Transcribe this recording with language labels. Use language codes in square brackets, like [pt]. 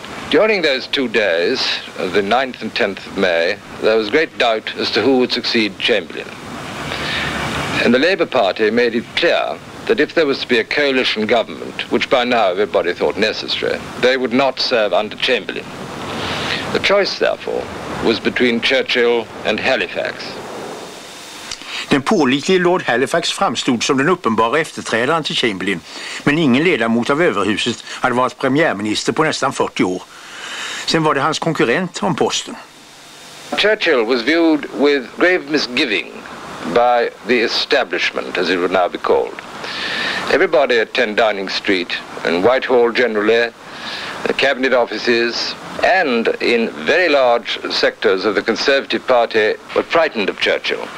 [en] During those 2 days, the 9th and 10th of May, there was great doubt as to who would succeed Chamberlain. And the Labour Party made it clear that if there was to be a coalition government, which by now everybody thought necessary, they would not serve under Chamberlain. The choice, therefore, was between Churchill and Halifax. [sv] Den pålitlige Lord Halifax framstod som den uppenbara efterträdaren till Chamberlain, men ingen ledamot av överhuset hade varit premiärminister på nästan 40 år. Sen var det hans konkurrent om posten. [en] Churchill was viewed with grave misgiving by the establishment, as it would now be called. Everybody at 10 Downing Street, in Whitehall generally, the cabinet offices, and in very large sectors of the Conservative Party were frightened of Churchill.